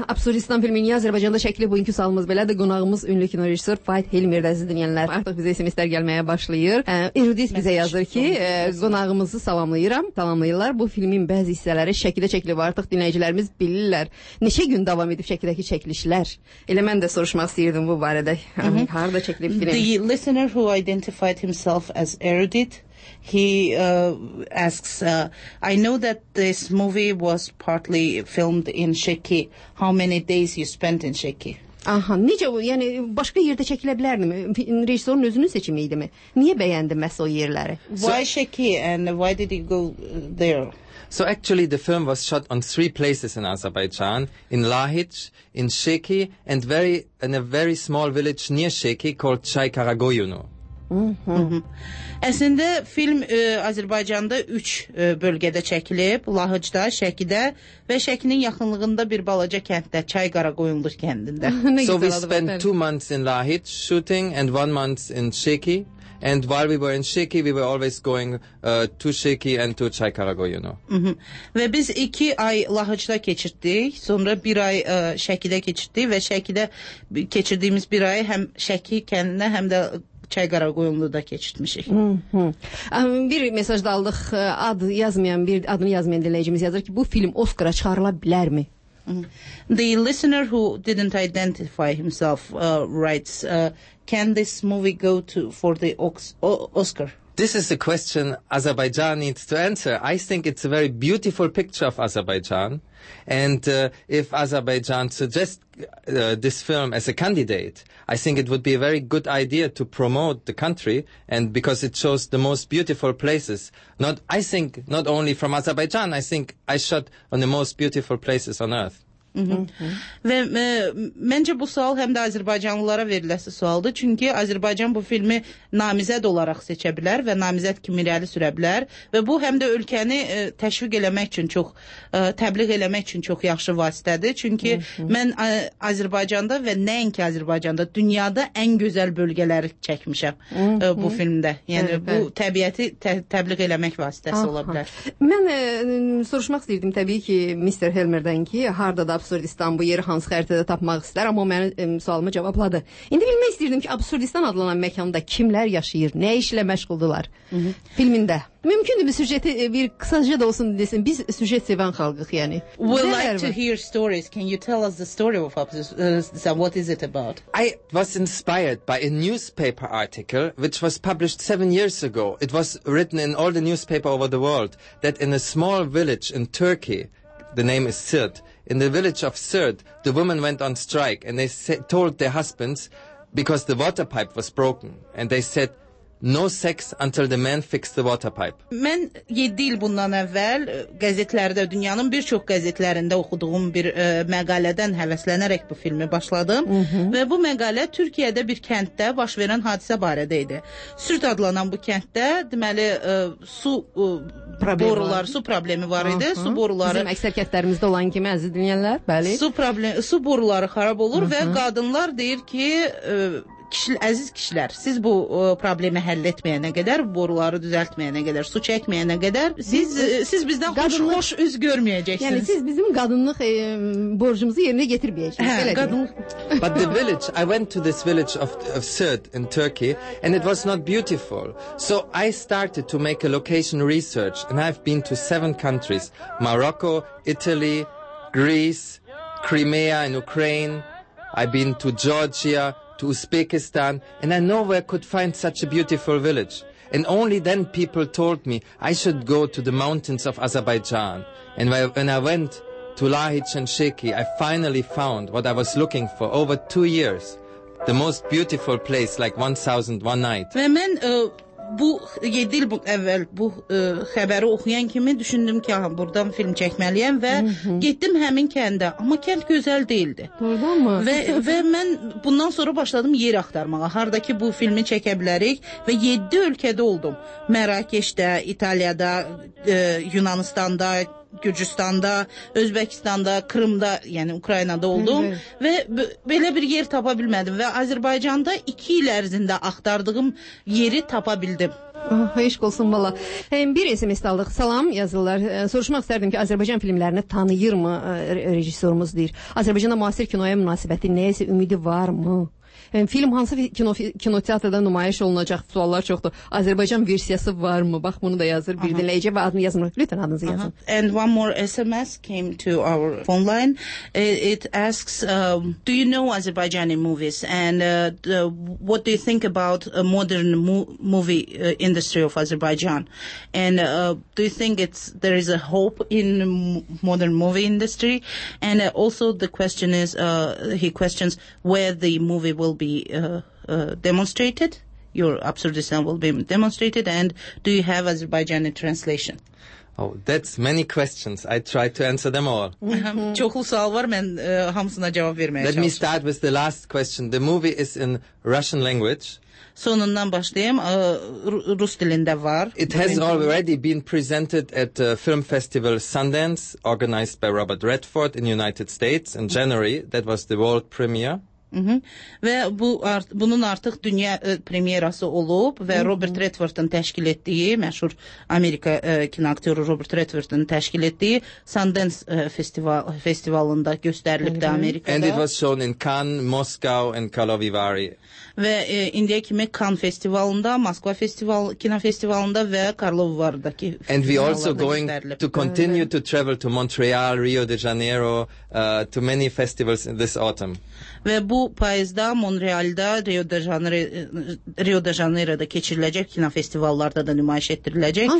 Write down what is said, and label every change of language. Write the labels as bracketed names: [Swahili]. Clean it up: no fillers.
[Azerbaijani] Absurdistan filmi niyə Azərbaycanda çəkilib? Bugünkü sualımız belədir. Qonağımız ünlü kinorejissor Fahid Helmir də siz dinləyənlər. Artıq bizə SMS-lər gəlməyə başlayır. Erudis bizə yazır ki, qonağımızı salamlayıram. Salamlayırlar. Bu filmin bəzi hissələri Şəkidə çəkilib. Artıq dinləyicilərimiz bilirlər. Neçə gün davam edib Şəkidəki çəkilişlər? Elə mən də soruşmaq istəyirdim bu barədə. Harda çəkilib film? [English] The listener who identified himself as erudite, he asks, I know that this movie was partly filmed in Şəki. How many days you spent in Şəki? [Azerbaijani] Aha, necə bu? Yəni, başqa yerdə çəkilə bilərdim. Rejissorun özünün seçimi idi mi? Niyə bəyəndin məhz o yerləri? [English] Why Şəki and why did you go there? So actually the film was shot on three places in Azerbaijan, in Lahic, in Şəki, and in a very small village near Şəki called Çay Karagoyunu. [Azerbaijani] Əslində film Azərbaycanda 3 bölgədə çəkilib. Lahıcda, Şəkidə və Şəkinin yaxınlığında bir balaca kənddə, Çay Qaraqoyunluq kəndində. [English] So we spent 2 months in Lahıc shooting and 1 month in Şəki. And while we were in Şəki, we were always going to Şəki and to Çay Qaraqoyunu. [Azerbaijani] Və biz 2 ay Lahıcda keçirdik, sonra 1 ay Şəkidə keçirdik və Şəkidə keçirdiyimiz 1 ay həm Şəki kəndində, həm də Çay Qaraqoyunluda keçirmişik. Bir mesaj da aldıq. Adını yazmayan dinləyicimiz yazır ki, bu film Oscara çıxarıla bilərmi? [English] The listener who didn't identify himself writes, can this movie go for the Oscar? This is a question Azerbaijan needs to answer. I think it's a very beautiful picture of Azerbaijan. And if Azerbaijan suggests this film as a candidate, I think it would be a very good idea to promote the country, and because it shows the most beautiful places. Not only from Azerbaijan, I think I shot on the most beautiful places on earth. [Azerbaijani] Və məncə bu sual həm də Azərbaycanlılara veriləsi sualdır, çünki Azərbaycan bu filmi namizəd olaraq seçə bilər və namizəd kimi irəli sürə bilər və bu həm də ölkəni təşviq eləmək üçün çox, təbliğ eləmək üçün çox yaxşı vasitədir, çünki mən Azərbaycanda və nəinki Azərbaycanda, dünyada ən gözəl bölgələri çəkmişəm bu filmdə, yəni bu təbiəti təbliğ eləmək vasitəsi ola bilər. Mən soruşmaq istəyirdim təbii ki, Mr. Helmer-dən ki, harda Absurdistan bu yeri hansı xəritədə tapmaq istər, amma o mənim sualımı cavabladı. İndi bilmək istəyirdim ki, Absurdistan adlanan məkanda kimlər yaşayır, nə işlə məşğuldular filmində. Mümkündür bir süjeti bir qısaca da olsun desin. Biz süjet sevən xalqıq yəni. [English] We like to hear stories. Can you tell us the story of Absurdistan? What is it about? I was inspired by a newspaper article which was published 7 years ago. It was written in all the newspaper over the world that in a small village in Turkey, the name is Sirt, in the village of Sirt, the women went on strike and they told their husbands because the water pipe was broken. And they said, no sex until the man fixed the water pipe. [Azerbaijani] Mən 7 il bundan əvvəl qəzetlərdə, dünyanın bir çox qəzetlərində oxuduğum bir məqalədən həvəslənərək bu filmi başladım. Və bu məqalə Türkiyədə bir kənddə baş verən hadisə barədə idi. Sirt adlanan bu kənddə, deməli, su problemi var idi. Su boruları bizim əksər kəndlərimizdə olan kimi əziz dinləyənlər, bəli. Su boruları xarab olur və qadınlar deyir ki, əziz kişilər, siz bu problemi həll etməyənə qədər, boruları düzəltməyənə qədər, su çəkməyənə qədər siz bizdən xoş üz görməyəcəksiniz. Yəni siz bizim qadınlıq borcumuzu yerinə getirməyəcəksiniz. [English] But the village, I went to this village of Sirt in Turkey and it was not beautiful. So I started to make a location research and I've been to 7 countries. Morocco, Italy, Greece, Crimea in Ukraine. I've been to Georgia, to Uzbekistan, and I nowhere could find such a beautiful village. And only then people told me I should go to the mountains of Azerbaijan. And when I went to Lahic and Şəki, I finally found what I was looking for over 2 years. The most beautiful place, like 1001 night. [Azerbaijani] Mən bu 7 il əvvəl bu xəbəri oxuyan kimi düşündüm ki, aha, buradan film çəkməliyəm və getdim həmin kəndə. Amma kənd gözəl deyildi. Doğrudanmı? Və mən bundan sonra başladım yer axtarmağa. Haradakı bu filmi çəkə bilərik və 7 ölkədə oldum. Mərakeşdə, İtaliyada, Yunanıstanda, Gürcüstanda, Özbəkistanda, Kırımda, yəni Ukraynada oldum və belə bir yer tapa bilmədim və Azərbaycanda 2 il ərzində axtardığım yeri tapa bildim. Eşq olsun valla. Bir SMS aldıq. Salam yazırlar. Soruşmaq istərdim ki, Azərbaycan filmlərini tanıyır mı rejissorumuz deyir. Azərbaycanda müasir kinoya münasibəti nəyəsə ümidi var mı? Film hansı kino teatrda nümayiş olunacaq? Suallar çoxdur. Azərbaycan versiyası var mı? Bax, bunu da yazır. Bir dinləyici və adını yazmır. Lütfən adınızı yazın. [English] And one more SMS came to our phone line. It asks, do you know Azerbaijani movies? And what do you think about a modern movie industry of Azerbaijan? And do you think there is a hope in modern movie industry? And also the question is, he questions where the movie will be demonstrated, your absurdism will be demonstrated, and do you have Azerbaijani translation? Oh, that's many questions. I try to answer them all. [Azerbaijani] Çoxlu sual var, mən hamısına cavab verməyə çalışıram. [English] Let me start with the last question. The movie is in Russian language. [Azerbaijani] Sonundan başlayayım. Rus dilində var. [English] It has already been presented at a film festival Sundance, organized by Robert Redford in the United States in January. That was the world premiere. [Azerbaijani] Və bu bunun artıq dünya premyerası olub və Robert Redford'un təşkil etdiyi, məşhur Amerika kinoaktyoru Robert Redford'un təşkil etdiyi Sundance festivalında göstərilib də Amerikada. [English] And it was shown in Cannes, Moscow and Karlovy Vary. [Azerbaijani] Və indiyə kimi Cannes festivalında, Moskva kinofestivalında və Karlovy Vary-dakı [English] And we also going to continue to travel to Montreal, Rio de Janeiro, to many festivals this autumn. [Azerbaijani] Və bu payızda Montreal'da, Rio de Janeiro'da keçiriləcək, kinofestivallarda da nümayiş etdiriləcək.